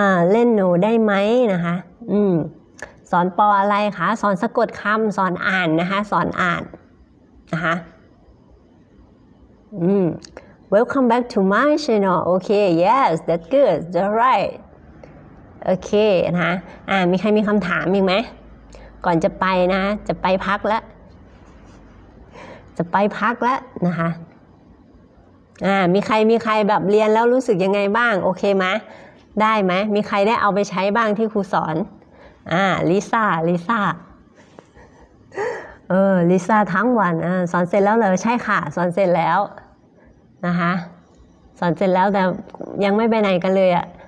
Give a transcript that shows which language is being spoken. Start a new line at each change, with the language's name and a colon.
Thai: เล่นหนูได้ไหมนะคะสอนปออะไรคะสอนสะกดคำสอนอ่านนะคะสอนอ่านนะคะ
English: welcome back to my channel. Okay, yes, that's good, that's right.
Thai: Okay, นะคะมีใครมีคำถามอีกไหมก่อนจะไปนะจะไปพักแล้วจะไปพักแล้วนะคะมีใครแบบเรียนแล้วรู้สึกยังไงบ้างโอเคไหมได้ไหมมีใครได้เอาไปใช้บ้างที่ครูสอนลิซ่าลิซ่าทั้งวันสอนเสร็จแล้วเหรอใช่ค่ะสอนเสร็จแล้วนะคะสอนเสร็จแล้วแต่ยังไม่ไปไหนกันเลยอ่ะ